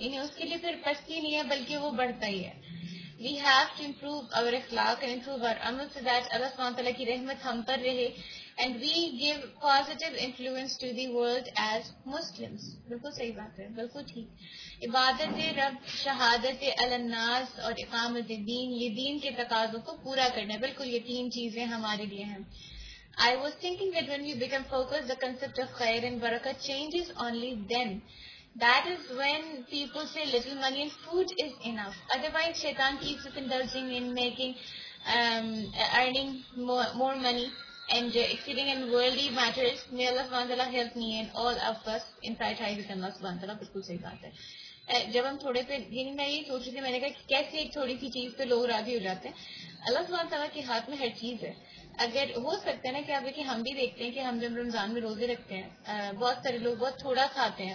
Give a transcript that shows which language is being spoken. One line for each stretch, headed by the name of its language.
Hindi: यानी उसके लिए फिर पस्ती नहीं है बल्कि वो बढ़ता ही है.
English: we have to improve our अखलाक and improve our अमल so that
Hindi: अल्लाह सुब्हान तआला की रहमत हम पर रहे
English: And we give positive influence to the world as Muslims.
Hindi: बिल्कुल सही बात है, बिल्कुल ठीक. इबादत रब, शहादत अलनास और इकामत दीन, ये दीन के तकाजों को पूरा करना है. बिल्कुल ये तीन चीजें हमारे लिए हैं.
English: I was thinking that when we become focused, the concept of khair and barakah changes only then. That is when people say little money and food is enough. Otherwise, shaitan keeps us indulging in making, earning more money and exceeding in worldly matters. May Allah subhanahu wa ta'ala help me and all of us in tight ties with Allah subhanahu wa ta'ala.
Hindi: बिल्कुल सही बात है. जब हम थोड़े पे यानी मैं ये सोच रही थी, मैंने कहा कि कैसे एक थोड़ी सी चीज पे लोग राजी हो जाते हैं. अल्लाह सुब्हानहू तआला के हाथ में हर चीज है. अगर हो सकता है ना कि आप देखिए, हम भी देखते हैं कि हम जब रमजान में रोजे रखते हैं, बहुत सारे लोग बहुत थोड़ा खाते हैं.